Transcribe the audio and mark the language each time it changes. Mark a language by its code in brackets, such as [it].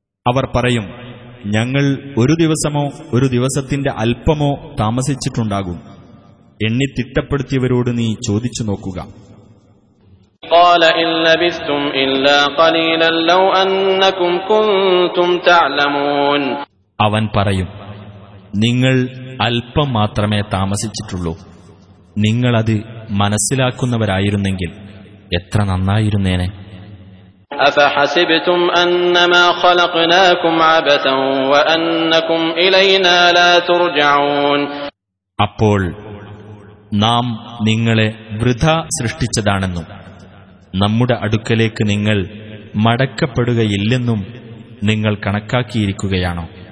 [ml] അവർ പറയും, ഞങ്ങൾ ഒരു ദിവസമോ ഒരു ദിവസത്തിന്റെ അല്പമോ താമസിച്ചിട്ടുണ്ടാകും, എണ്ണിത്തിട്ടപ്പെടുത്തിയവരോട് നീ ചോദിച്ചു നോക്കുക. [ar] قال ان لبستم الا قليلا لو انكم كنتم تعلمون. [ml] അവൻ പറയും, നിങ്ങൾ അല്പം മാത്രമേ താമസിച്ചിട്ടുള്ളൂ, നിങ്ങൾ അത് മനസ്സിലാക്കുന്നവരായിരുന്നെങ്കിൽ എത്ര നന്നായിരുന്നേനെ. [ar] افحسبتم انما خلقناكم عبثا وانكم الينا لا ترجعون. [ml] അപ്പോൾ നാം നിങ്ങളെ വൃഥാ സൃഷ്ടിച്ചതാണെന്നും നമ്മുടെ അടുക്കലേക്ക് നിങ്ങൾ മടക്കപ്പെടുകയില്ലെന്നും നിങ്ങൾ കണക്കാക്കിയിരിക്കുകയാണോ?